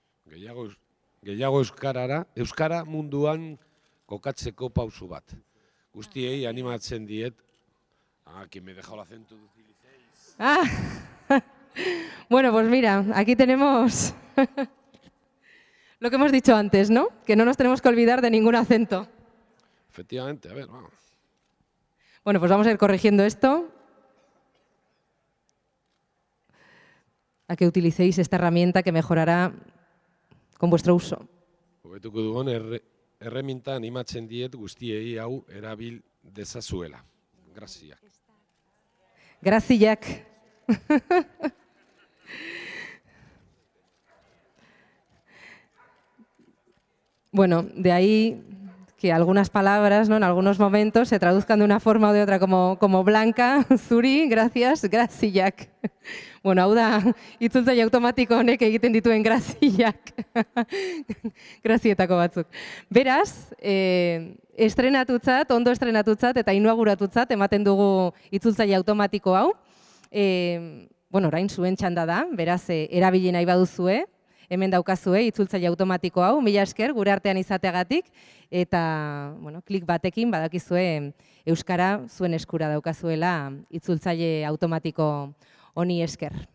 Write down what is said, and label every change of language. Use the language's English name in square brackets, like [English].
[Basque] Gehiago euskarara, euskara munduan kokatzeko pausu bat. Guztiei animatzen diet. [Spanish] Ah, que me dejó el acento de utilizar. Ah, bueno, pues mira, aquí tenemos lo que hemos dicho antes, ¿no? Que no nos tenemos que olvidar de ningún acento. Efectivamente, a ver, vamos. Bueno, pues vamos a ir corrigiendo esto. A que utilicéis esta herramienta que mejorará con vuestro uso. [Basque] Hobetuko dugun erreminta animatzen diet guztiei hau erabil dezazuela. Graziak. Graziak. [Spanish] Bueno, de ahí que algunas palabras, ¿no?, en algunos momentos se traduzcan de una forma o de otra, como Blanca, Zuri, gracias, graziak. [Basque] Bueno, hau da, itzultzaile automatiko honek egiten dituen graziak. Grazietako batzuk. Beraz, estrenatutzat, ondo estrenatutzat eta inauguratutzat ematen dugu itzultzaile automatiko hau. Bueno, orain zuen txanda da, beraz, erabili nahi baduzue, hemen daukazue itzultzaile automatiko hau, mila esker gure artean izateagatik, eta bueno, klik batekin badakizue euskara zuen eskura daukazuela itzultzaile automatiko honi esker.